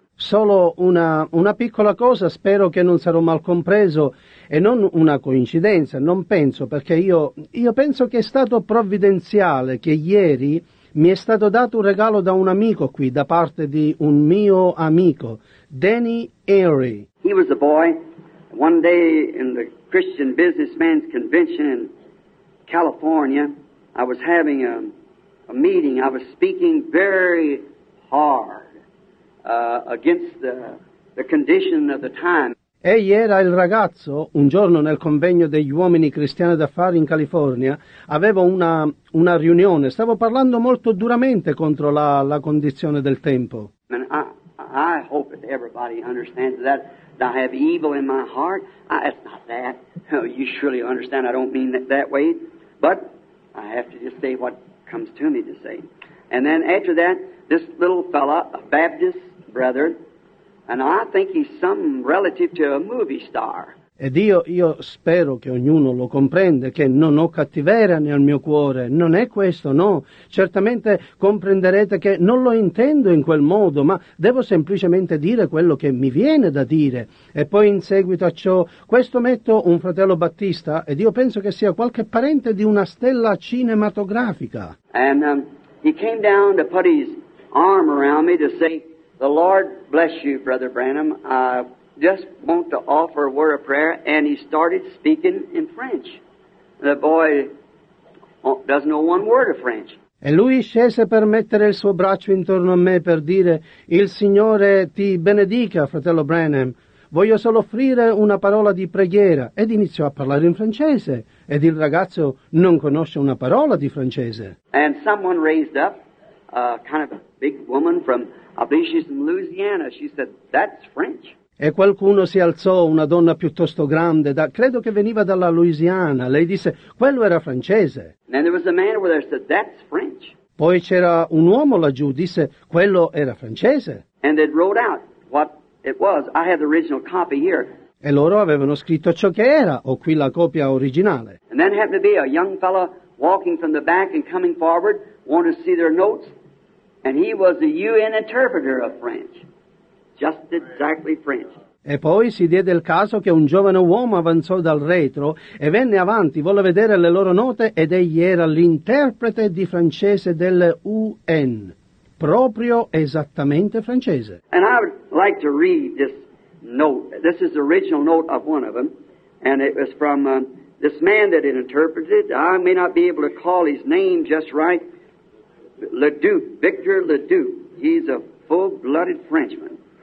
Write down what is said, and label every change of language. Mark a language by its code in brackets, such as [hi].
[it] Solo una piccola cosa, spero che non sarò mal compreso, e non una coincidenza, non penso, perché io penso che è stato provvidenziale che ieri mi è stato dato un regalo da un amico qui, da parte di un mio amico, Danny Henry. [en] He was a boy, one day in the Christian Businessmen's Convention in California, I was having a meeting. I was speaking very hard against the condition of the time. [it] Egli era il ragazzo, un giorno nel convegno degli uomini cristiani d'affari in California, avevo una riunione, stavo parlando molto duramente contro la condizione del tempo. [en] And I hope that everybody understands that. I have evil in my heart. It's not that. You surely understand. I don't mean that way. But I have to just say what comes to me to say. And then after that, this little fella, a Baptist brother, and I think he's some relative to a movie star. [it] Ed io spero che ognuno lo comprende, che non ho cattiveria nel mio cuore, non è questo, no. Certamente comprenderete che non lo intendo in quel modo, ma devo semplicemente dire quello che mi viene da dire. E poi in seguito a ciò, questo metto un fratello battista, ed io penso che sia qualche parente di una stella cinematografica. [en] And he came down to put his arm around me to say, "The Lord bless you, Brother Branham. Just want to offer a word of prayer," and he started speaking in French. The boy doesn't know one word of French. [it] E lui scese per mettere il suo braccio intorno a me per dire: "Il Signore ti benedica, fratello Branham. Voglio solo offrire una parola di preghiera." Ed iniziò a parlare in francese. Ed il ragazzo non conosce una parola di francese. [en] And someone raised up, kind of a big woman from, I believe she's from Louisiana. She said, "That's French." [it] E qualcuno si alzò, una donna piuttosto grande, credo che veniva dalla Louisiana. Lei disse, quello era francese. [en] And there was a man over there said, "That's French." [it] Poi c'era un uomo laggiù, disse, quello era francese. [en] And they wrote out what it was. I had the original copy here. [it] E loro avevano scritto ciò che era. Ho qui la copia originale. [en] And then happened to be a young fellow walking from the back and coming forward, wanted to see their notes. And he was a UN interpreter of French. Just exactly French. [it] E poi si diede il caso che un giovane uomo avanzò dal retro e venne avanti, volle vedere le loro note ed egli era l'interprete di francese delle UN, proprio esattamente francese. [en] And I would like to read this note. This is the original note of one of them, and it was from this man that it interpreted. I may not be able to call his name just right. Leduc, Victor Leduc. He's a full-blooded Frenchman.